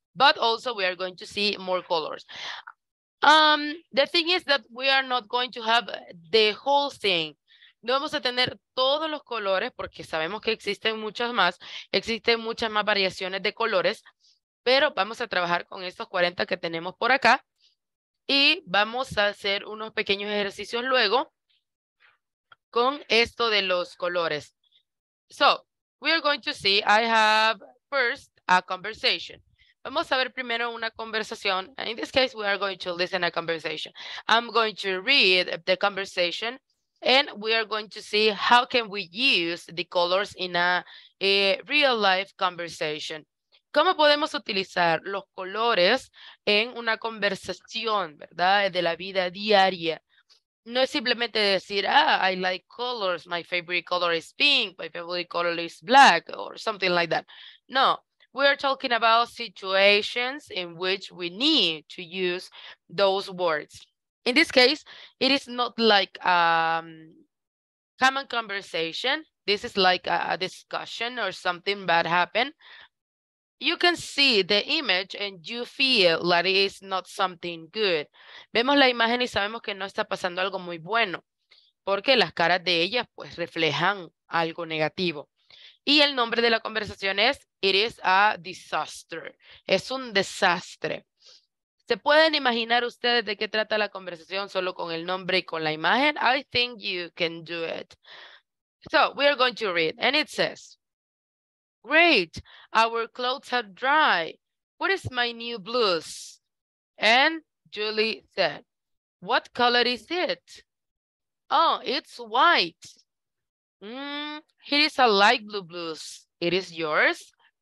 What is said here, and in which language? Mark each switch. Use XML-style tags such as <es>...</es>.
<en>But also we are going to see more colors. The thing is that we are not going to have the whole thing.</en> <es>No vamos a tener todos los colores porque sabemos que existen muchas más variaciones de colores, pero vamos a trabajar con estos 40 que tenemos por acá. Y vamos a hacer unos pequeños ejercicios luego con esto de los colores.</es> <en>So, we are going to see, I have first a conversation.</en> <es>Vamos a ver primero una conversación.</es> <en>In this case, we are going to listen a conversation. I'm going to read the conversation and we are going to see how can we use the colors in a real life conversation.</en> <es>¿Cómo podemos utilizar los colores en una conversación, verdad, de la vida diaria? No es simplemente decir,</es> <en>I like colors, my favorite color is pink, my favorite color is black, or something like that. No, we are talking about situations in which we need to use those words. In this case, it is not like a common conversation. This is like a discussion or something bad happened. You can see the image and you feel that it is not something good.</en> <es>Vemos la imagen y sabemos que no está pasando algo muy bueno, porque las caras de ellas pues reflejan algo negativo. Y el nombre de la conversación es</es> <en>It is a disaster.</en> <es>Es un desastre. ¿Se pueden imaginar ustedes de qué trata la conversación solo con el nombre y con la imagen?</es> <en>I think you can do it. So, we are going to read and it says, great, our clothes are dry. What is my new blouse? And Julie said, what color is it? Oh, it's white. It is a light blue blouse. It is yours?</en>